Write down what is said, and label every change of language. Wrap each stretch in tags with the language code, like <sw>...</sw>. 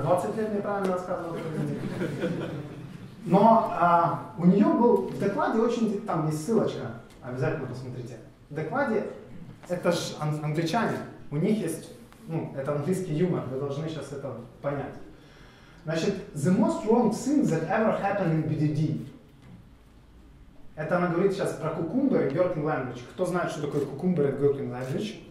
<ru>20 лет неправильно рассказывала о BDD. Но у нее был в докладе очень... Там есть ссылочка. Обязательно посмотрите. В докладе... Это же англичане. У них есть... Ну, это английский юмор. Вы должны сейчас это понять. Значит,</ru> <en>the most wrong thing that ever happened in BDD.</en> <ru>Это она говорит сейчас про Cucumber и Gherkin Language. Кто знает, что такое Cucumber и Gherkin Language?</ru>